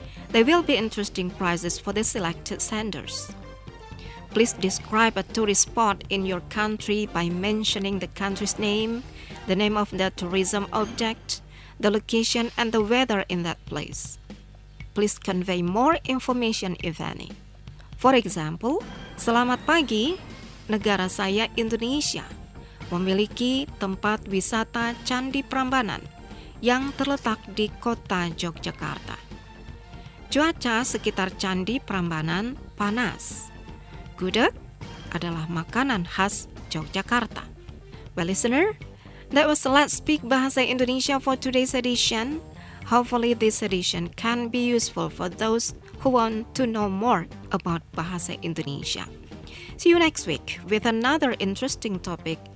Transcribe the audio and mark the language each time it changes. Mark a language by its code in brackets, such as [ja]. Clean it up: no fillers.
[en] There will be interesting prizes for the selected senders. Please describe a tourist spot in your country by mentioning the country's name, the name of the tourism object, the location, and the weather in that place. Please convey more information if any. For example, [id] "Selamat pagi, negara saya Indonesia memiliki tempat wisata Candi Prambanan yang terletak di kota Yogyakarta. Cuaca sekitar Candi Prambanan panas. Gudeg adalah makanan khas Yogyakarta." [en] Well, listener, that was Let's Speak Bahasa Indonesia for today's edition. Hopefully, this edition can be useful for those who want to know more about Bahasa Indonesia. See you next week with another interesting topic.